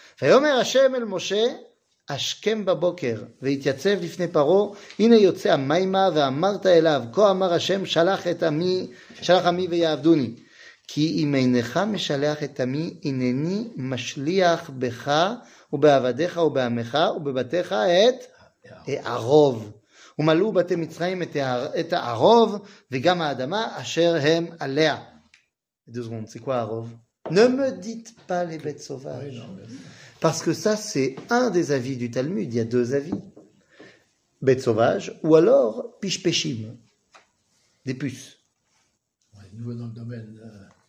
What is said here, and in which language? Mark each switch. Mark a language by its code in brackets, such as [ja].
[he] Vayomer Hashem el Moshe, Ashkem baboker, veitiatsev lifne paro, ine yotze amaima veamarta elav, ko amar Hashem, shalach et ami, shalach ami veyavduni. Ki imeinecha meshalach et ami, ineni mashliach becha, ובעבדיך ובעמך ובבתיך את הערוב. ומלאו בתי מצרים את הערוב וגם האדמה אשר הם עליה. [fr] דוזרון, c'est quoi הערוב? Ne me dites pas les bêtes sauvages. Parce que ça, c'est un des avis du Talmud. Il y a deux avis. Bêtes sauvages ou alors pishpeshim. Des puces. Ouais, nouveau dans le domaine.